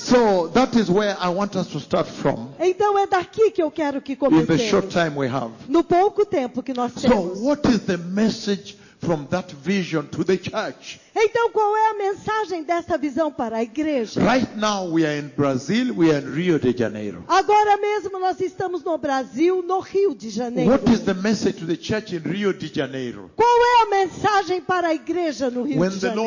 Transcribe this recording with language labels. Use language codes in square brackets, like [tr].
[en] So that is where I want us to start from. [pt] Então é daqui que eu quero que comecemos. [en] In the short time we have. [pt] No pouco tempo que nós temos. [en] So what is the message from that vision to the church? [pt] Então qual é a mensagem dessa visão para a igreja? [en] Right now we are in Brazil, we are in Rio de Janeiro. [pt] Agora mesmo nós estamos no Brasil, no Rio de Janeiro. [en] What is the message to the church in Rio de Janeiro? [pt] Qual é a mensagem para a igreja no Rio [en] When [pt] de Janeiro?